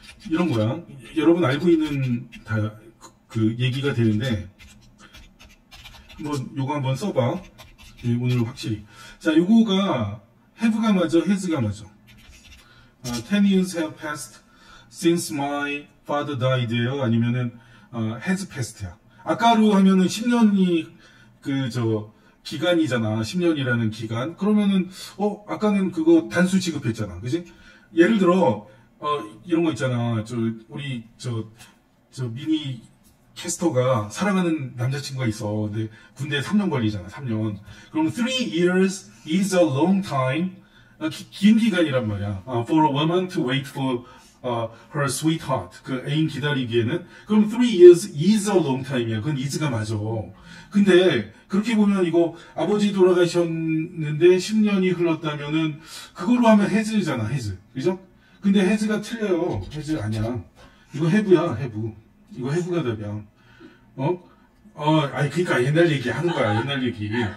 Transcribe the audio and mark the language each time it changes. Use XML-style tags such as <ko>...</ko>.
<ko>이런 거야. 여러분 알고 있는 다 그 얘기가 되는데 한번 요거 한번 써봐. 예, 오늘 확실히. 자 요거가 have가 맞아? has가 맞아?</ko> <en>10 years have passed since my father died예요?</en> <ko>아니면은 has passed야? 아까로 하면은 10년이 그 저 기간이잖아. 10년이라는 기간. 그러면은 아까는 그거 단수 지급했잖아. 그지? 예를 들어 이런 거 있잖아. 저 우리 저 미니 캐스터가 사랑하는 남자친구가 있어. 근데 군대 3년 걸리잖아. 3년. 그럼</ko> <en>3 years is a long time.</en> <ko>긴 기간이란 말이야.</ko> <en>For a woman to wait for her sweetheart.</en> <ko>그 애인 기다리기에는. 그럼</ko> <en>3 years is a long time이야.</en> <ko>그건 is가 맞아. 근데 그렇게 보면 이거 아버지 돌아가셨는데 10년이 흘렀다면은 그걸로 하면 has잖아. has. 그죠? 근데 has가 틀려요. has 아니야. 이거 have야. have. 이거 have가 답이야. 아니 그러니까 옛날 얘기 하는 거야. 옛날 얘기.</ko>